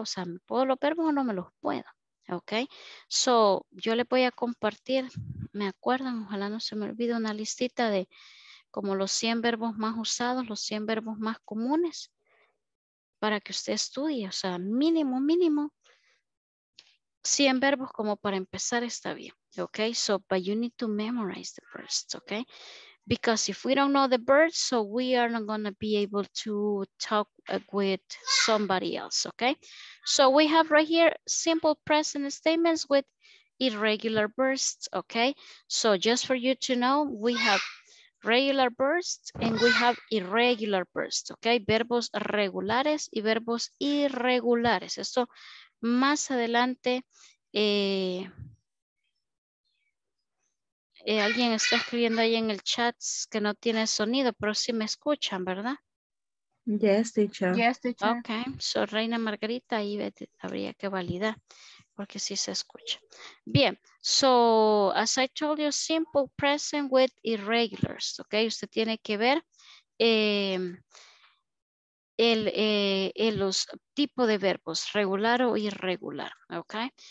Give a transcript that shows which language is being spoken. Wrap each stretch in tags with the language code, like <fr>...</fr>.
<es>O sea, ¿me puedo los verbos o no me los puedo? Ok, so yo le voy a compartir, me acuerdan, ojalá no se me olvide, una listita de como los 100 verbos más usados, los 100 verbos más comunes para que usted estudie, o sea, mínimo, mínimo 100 verbos como para empezar está bien.</es> <en>Ok, so but you need to memorize the verbs, ok, because if we don't know the verbs, so we are not going to be able to talk with somebody else, okay? So we have right here simple present statements with irregular verbs, okay? So just for you to know, we have regular verbs and we have irregular verbs, okay?</en> <es>Verbos regulares y verbos irregulares. Esto más adelante, alguien está escribiendo ahí en el chat que no tiene sonido, pero sí me escuchan, ¿verdad?</es> <en>Yes, teacher. Yes, teacher.</en> <es>Okay, so Reina Margarita, ahí habría que validar, porque sí se escucha.</es> <en>Bien, so as I told you, simple present with irregulars, okay?</en> <es>Usted tiene que ver los tipos de verbos, regular o irregular, okay?</es>